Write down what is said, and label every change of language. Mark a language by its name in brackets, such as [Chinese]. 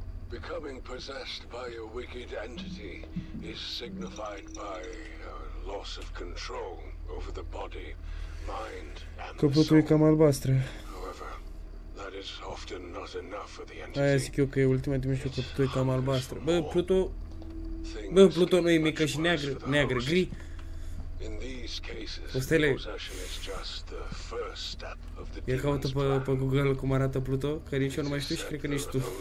[English] Becoming possessed by a wicked entity is signified by a loss of control over the body, mind, and the soul. [Romanian] E cam albastră. [English] However, that is often not enough for the entity. [Romanian] Aia zic eu că e ultima dimensiune, că Pluto e cam albastră. Bă, Pluto... Bă, Pluto nu e mică și neagră, neagră, gri. [English] In these cases, Postele... possession is just the first step of the demon's plan. [Romanian] Ia caută pe Google cum arată Pluto, că nici eu nu mai știu și cred că nici tu.